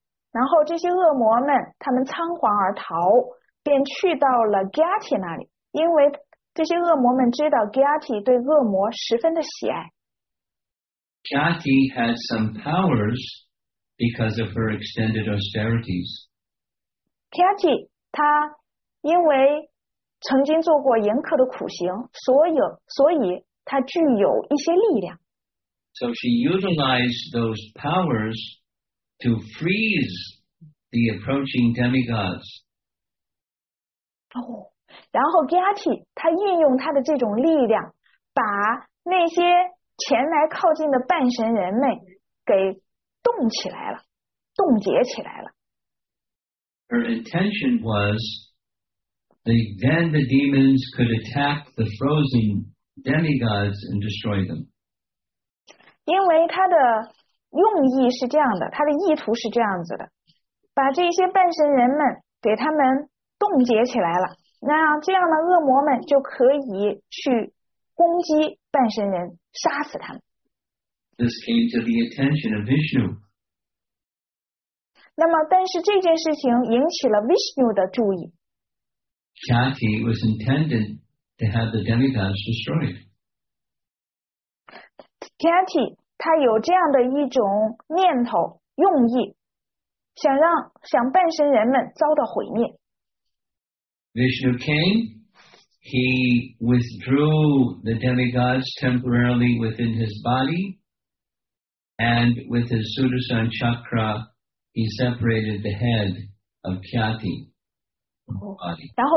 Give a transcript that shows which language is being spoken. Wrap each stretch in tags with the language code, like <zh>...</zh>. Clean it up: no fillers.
<zh>然后这些恶魔们，他们仓皇而逃，便去到了 Kyati 那里，因为这些恶魔们知道 Kyati 对恶魔十分的喜爱。</zh> <en>Kyati had some powers because of her extended austerities.</en> <zh>Kyati 他因为曾经做过严苛的苦行，所以他具有一些力量。</zh> <en>So she utilized those powers to freeze the approaching demigods.</en> <zh>然后 Gyati 他运用他的这种力量把那些前来靠近的半神人们给冻起来了，冻结起来了。</zh> <en>Her intention was that then the demons could attack the frozen demigods and destroy them.</en> <zh>因为他的用意是这样的，他的意图是这样子的，把这些半神人们给他们冻结起来了，那这样的恶魔们就可以去攻击半神人，杀死他们。</zh> <en>This came to the attention of Vishnu.</en> <zh>那么，但是这件事情引起了 Vishnu 的注意。</zh> <en>Kyati was intended to have the demigods destroyed.</en> <zh>Kyati 他有这样的一种念头、用意，想半神人们遭到毁灭。</zh> <en>Vishnu came, he withdrew the demigods temporarily within his body, and with his Sudarshan Chakra, he separated the head of Kyati from the body.</en>